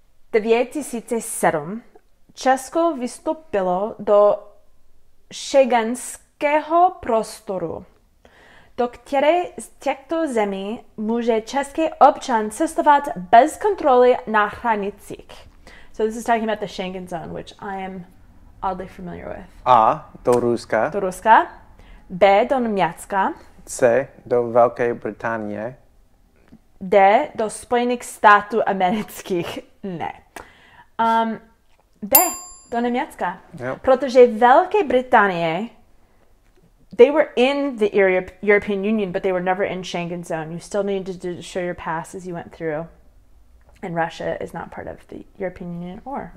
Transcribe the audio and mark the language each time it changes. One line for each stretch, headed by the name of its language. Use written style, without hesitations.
Czech: 2007 Česko vystoupilo do šengenského prostoru. Do které z těchto zemí může český občan cestovat bez kontroly na hranicích?
English: So this is talking about the Schengen zone, which I am oddly familiar with.
Czech: A. Do Ruska. Do Ruska. B. Do Německa. C. Do Velké Británie. D. Do Spojených států amerických. Ne. B. Do Německa.
English: Yep.
Czech: Protože Velké Británie,
English: they were in the European Union, but they were never in Schengen zone. You still needed to show your pass as you went through. And Russia is not part of the European Union or...